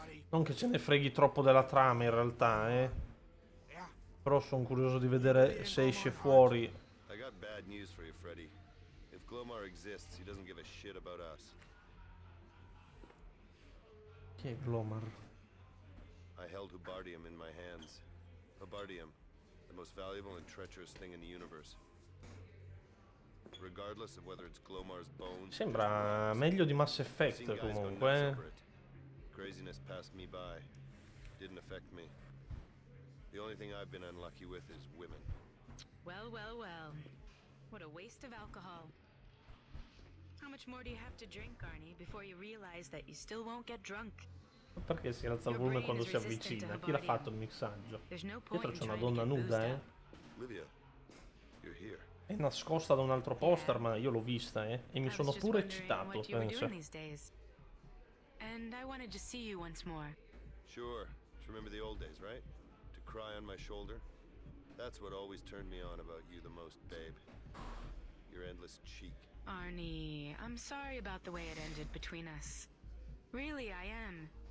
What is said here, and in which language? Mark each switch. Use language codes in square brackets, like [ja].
[it] Non che ce ne freghi troppo della trama in realtà, eh. Però sono curioso di vedere se esce fuori. [en] I got bad news for you, Freddy. If Glomar exists, he doesn't give a shit about us. [it] Chi è Glomar? [en] I held Habardium in my hands. Habardium, the most valuable and treacherous thing in the universe. Regardless of whether it's Glomar's bones. [it] Sembra meglio di Mass Effect comunque. [en] Craziness passed me by. Didn't affect me. The only thing I've been unlucky with is women. Well, well, well. What a waste of alcohol. How much more do you have to drink, Arnie, before you realize that you still won't get drunk? [it] Perché si alza il volume quando si avvicina? Chi l'ha fatto il mixaggio? Dietro c'è una donna nuda, eh? [en] Livia, you're here. [it] È nascosta da un altro poster, ma io l'ho vista, eh? E mi sono pure eccitato, penso. [en] And I wanted to see you once more. Sure. To remember the old days, right? To cry on my shoulder. That's what always turned me on about you the most, babe. Your endless cheek. Arnie, I'm sorry about the way it ended between us. Really, I am.